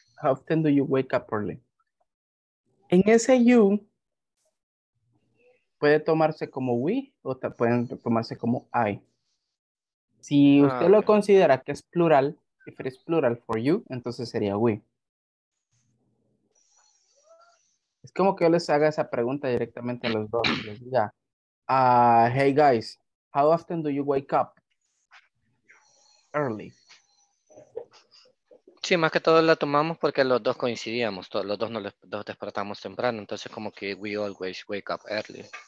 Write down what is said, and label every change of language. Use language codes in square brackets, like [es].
[en] How often do you wake up early? [es] En ese you, puede tomarse como we o pueden tomarse como I. Si usted lo considera que es plural, [en] if it is plural for you, [es] entonces sería we. Es como que yo les haga esa pregunta directamente a los dos. Les diga, [en] hey guys, how often do you wake up early? [es] Sí, más que todo la tomamos porque los dos coincidíamos, todos los dos nos despertamos temprano, entonces como que [en] we always wake up early.